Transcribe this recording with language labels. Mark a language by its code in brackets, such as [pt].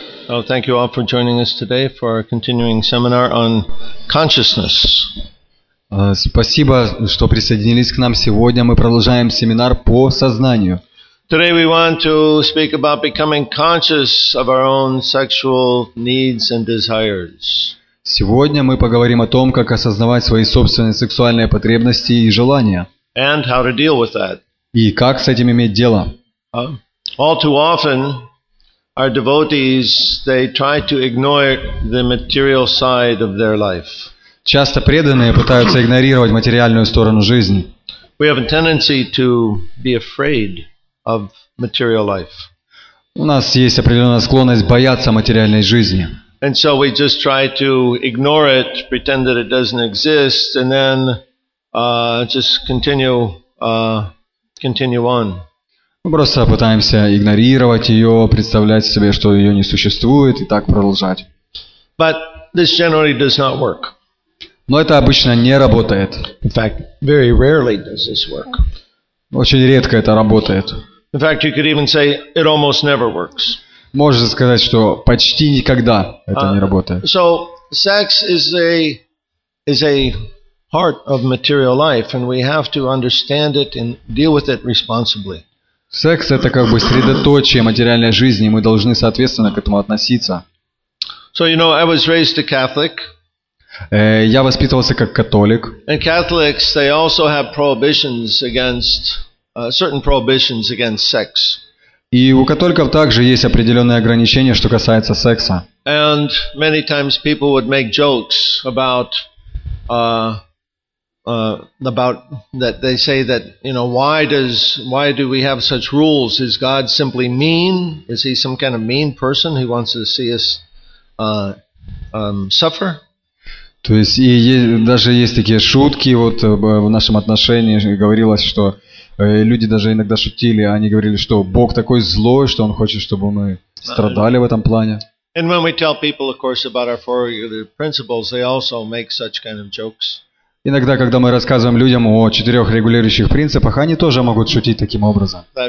[en] Well, thank you all for joining us today for our continuing seminar on consciousness. [ru] Спасибо, что присоединились к нам сегодня. Мы продолжаем семинар по сознанию. [en] Today we want to speak about becoming conscious of our own sexual needs and desires. [ru] Сегодня мы поговорим о том, как осознавать свои собственные сексуальные потребности и желания. [en] And how to deal with that. [ru] И как с этим иметь дело. [en] All too often, our devotees, they try to ignore the material side of their life. [ru] Часто преданные пытаются игнорировать материальную сторону жизни. [en] We have a tendency to be afraid of material life. [ru] У нас есть определенная склонность бояться материальной жизни. [en] And so we just try to ignore it, pretend that it doesn't exist, and then just continue on. [ru] Мы просто пытаемся игнорировать ее, представлять себе, что ее не существует, и так продолжать. [en] But this generally does not work. [ru] Но это обычно не работает. [en] In fact, very rarely does this work. [ru] Очень редко это работает. [en] In fact, you could even say it almost never works. [ru] Можно сказать, что почти никогда это не работает. [en] So sex is a part of material life, and we have to understand it and deal with it responsibly. [ru] Секс – это как бы средоточие материальной жизни, и мы должны, соответственно, к этому относиться. [en] So, you know, I was raised a Catholic. [ru] Я воспитывался как католик. [en] And Catholics, they also have prohibitions against, certain prohibitions against sex. [ru] И у католиков также есть определенные ограничения, что касается секса. [en] And many times people would make jokes about that they say that, you know, why do we have such rules? Is God simply mean? Is he some kind of mean person who wants to see us suffer? [ru] То есть и даже есть такие шутки вот в нашем отношении говорилось, что люди даже иногда шутили, они говорили, что Бог такой злой, что он хочет, чтобы мы страдали в этом плане. [en] And when we tell people, of course, about our four regular principles, they also make such kind of jokes. [ru] Иногда, когда мы рассказываем людям о четырех регулирующих принципах, они тоже могут шутить таким образом.